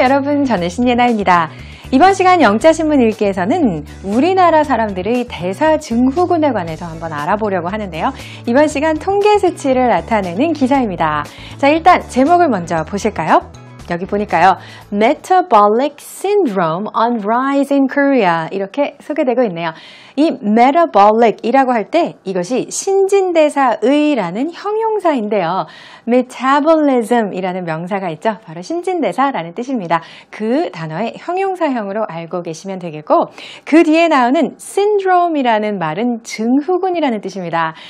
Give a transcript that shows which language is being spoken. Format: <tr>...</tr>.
<ko>여러분, 저는 신예나입니다. 이번 시간 영자신문읽기에서는 우리나라 사람들의 대사증후군에 관해서 한번 알아보려고 하는데요. 이번 시간 통계 수치를 나타내는 기사입니다. 자, 일단 제목을 먼저 보실까요? 여기 보니까요.</ko> <en>Metabolic Syndrome on Rise in Korea</en> <ko>이렇게 소개되고 있네요. 이 Metabolic이라고 할 때 이것이 신진대사의라는 형용사인데요. Metabolism이라는 명사가 있죠. 바로 신진대사라는 뜻입니다. 그 단어의 형용사형으로 알고 계시면 되겠고 그 뒤에 나오는 Syndrome이라는 말은 증후군이라는 뜻입니다.</ko>